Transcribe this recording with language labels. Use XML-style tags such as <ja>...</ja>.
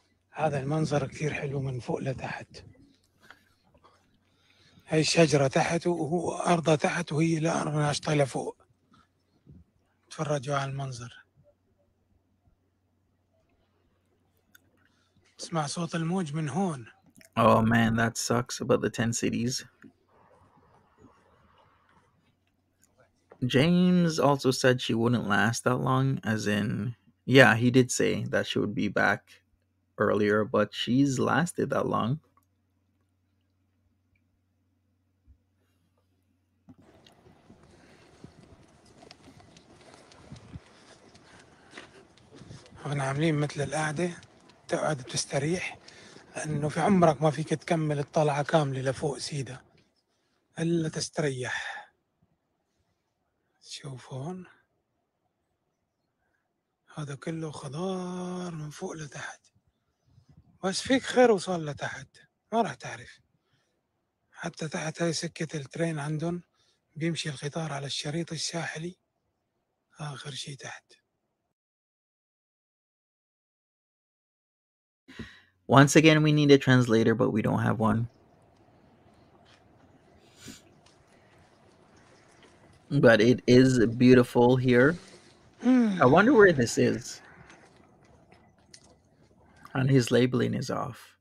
<ar>هذا المنظر كثير حلو من فوق لتحت هاي الشجرة تحت وهو أرضها تحت وهي لا أرضها طالع فوق تفرجوا على المنظر اسمع صوت الموج من هون</ar> <en>Oh man, that sucks about the 10 cities. James also said she wouldn't last that long, as in, yeah, he did say that she would be back earlier, but she's lasted that long.</en> <ar>احنا عاملين مثل القعدة تقعد تستريح لانه في عمرك ما فيك تكمل الطلعة كاملة لفوق سيدة الا تستريح شوف هون هذا كله خضار من فوق لتحت بس فيك خير وصل لتحت ما راح تعرف حتى تحت هاي سكة الترين عندهم بيمشي القطار على الشريط الساحلي آخر شيء تحت</ar> <en>Once again we need a translator but we don't have one But it is beautiful here I wonder where this is And his labeling is off.</en>